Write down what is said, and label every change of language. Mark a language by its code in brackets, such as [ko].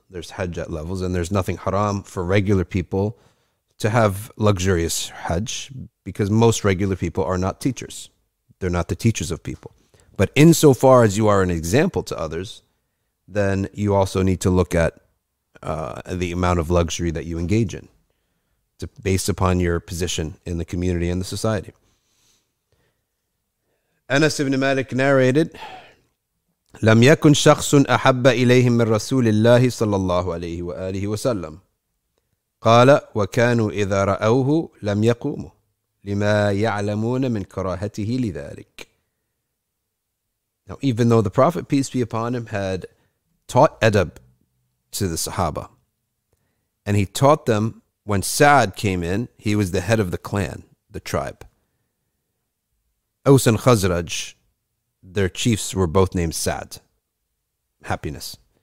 [en] There's hajj at levels, and there's nothing haram for regular people to have luxurious hajj because most regular people are not teachers. They're not the teachers of people. But insofar as you are an example to others, then you also need to look at the amount of luxury that you engage in to, based upon your position in the community and the society. [ar] Anas ibn Malik narrated, لم يكن شخص أحب إليهم من رسول الله صلى الله عليه وآله وسلم قال وكانوا إذا رأوه لم يقوموا لما يعلمون من كراهته لذلك. [en] Now even though the Prophet peace be upon him had taught adab to the Sahaba, and he taught them when Sa'd came in, he was the head of the clan, the tribe. Aws and Khazraj, their chiefs were both named Sa'd, happiness.